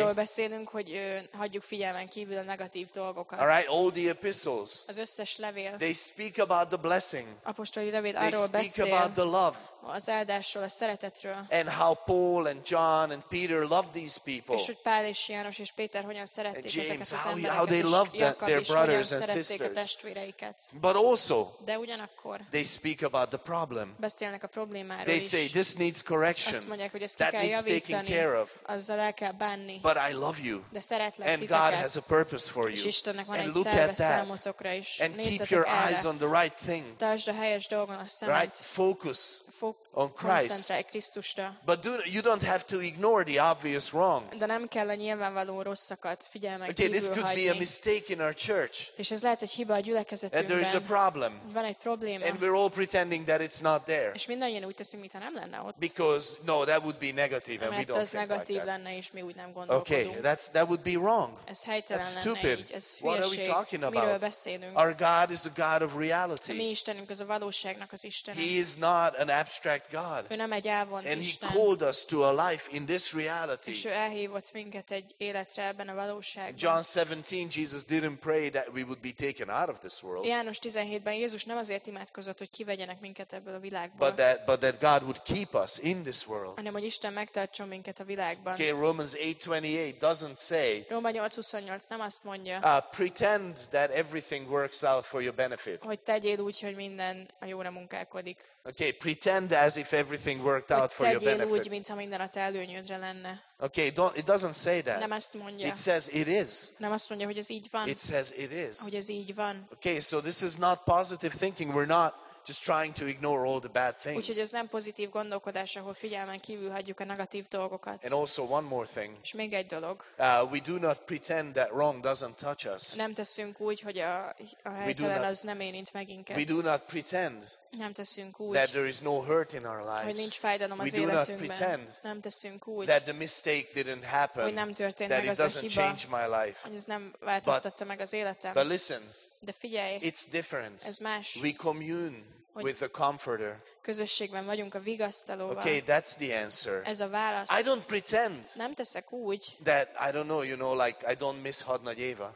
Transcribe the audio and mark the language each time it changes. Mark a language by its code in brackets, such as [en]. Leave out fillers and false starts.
[hu] Arról beszélünk, hogy hagyjuk figyelmen kívül a negatív dolgokat. [en] All right, all the epistles. [hu] Az összes levél. [en] They speak about the blessing. [hu] Apostoli levél arról beszél. [en] They speak about the love. [hu] Az áldásról, a szeretetről. [en] And how Paul and John and Peter loved these people. [hu] És hogy Pál és János és Péter hogyan szerették ezeket az [en] And James, how they loved [hu] Jakab [en] their brothers and sisters. But also, [hu] de ugyanakkor, [en] they speak about the problem. [hu] Beszélnek a problémáról is. [en] They say, this needs correction. [hu] Azt mondják, hogy ezt [en] that needs [hu] javítani, [en] taking care of. [hu] Azzal el kell bánni. [en] But I love you. [hu] De szeretlek titeket. [en] And God has a purpose for you. [hu] És Istennek van [en] and [hu] egy [en] look at that. And keep your [hu] erre. [en] Eyes on the right thing. [hu] Tartsd a helyes dolgon a szemed. [en] Right? Focus. On Christ. But you don't have to ignore the obvious wrong. [hu] De nem kell a nyilvánvaló rosszakat figyelmen kívül hagyni. [en] This could [hu] hagyni. [en] Be a mistake in our church. [hu] És ez lehet egy hiba a gyülekezetünkben. [en] And there is a problem. [hu] Van egy probléma. [en] And we're all pretending that it's not there. [hu] És mindannyian úgy teszünk, mintha nem lenne ott. [en] Because no, that would be negative, [hu] mert [en] and we don't [hu] ez negatív [en] like [hu] lenne, és mi úgy nem gondolkodunk. [en] Okay, that would be wrong. [hu] Ez helytelen [en] that's stupid. [hu] Lenne így, ez hülyeség. [en] What are we talking about? [hu] Miről beszélünk? [en] Our God is a God of reality. [hu] A mi Istenünk az a valóságnak az Istene. [en] He is not an abstract God. [hu] Ő nem egy álvont [en] and [hu] Isten. [en] He called us to a life in this reality. [hu] És ő elhívott minket egy életre ebben a valóságban. [en] John 17, Jesus didn't pray that we would be taken out of this world. [hu] János 17-ben Jézus nem azért imádkozott, hogy kivegyenek minket ebből a világból. [en] But that God would keep us in this world. [hu] Hanem hogy Isten megtartson minket a világban. [en] Okay, Romans 8:28 doesn't say. [hu] Róma 8:28 nem azt mondja. [en] Pretend that everything works out for your benefit. [hu] Hogy tegyél úgy, hogy minden a jóra munkálkodik. [en] Okay, pretend as if everything worked out for your benefit. [hu] Úgy, mintha minden a te előnyödre lenne. [en] Okay, it doesn't say that. [hu] Nem azt mondja. [en] It says it is. [hu] Nem azt mondja, hogy ez így van. [en] It says it is. [hu] Hogy ez így van. [en] Okay, so this is not positive thinking. We're not just trying to ignore all the bad things. [hu] Úgyhogy ez nem pozitív gondolkodás, ahol figyelmen kívül hagyjuk a negatív dolgokat. [en] And also one more thing. [hu] És még egy dolog. [en] We do not pretend that wrong doesn't touch us. [hu] Nem teszünk úgy, hogy a helytelen az nem érint meginket. [en] We do not pretend. [hu] Nem teszünk úgy. [en] That there is no hurt in our lives. [hu] Hogy nincs fájdalom az életünkben. [en] We do not pretend. [hu] Nem teszünk úgy. [en] That the mistake didn't happen. [hu] Hogy nem történt [en] that [hu] meg [en] it [hu] az [en] doesn't [hu] a hiba. [en] Change my life. [hu] Hogy ez nem változtatta meg az életem. [en] But listen. [hu] De figyelj, [en] it's different. [hu] Ez más. [en] We commune with the comforter. [hu] Közösségben vagyunk a vigasztalóval. [en] Okay, that's the answer. [hu] Ez a válasz. [en] I don't pretend. [hu] Nem teszek úgy. [en] That I don't know, you know, like I don't miss Hadnagy Éva.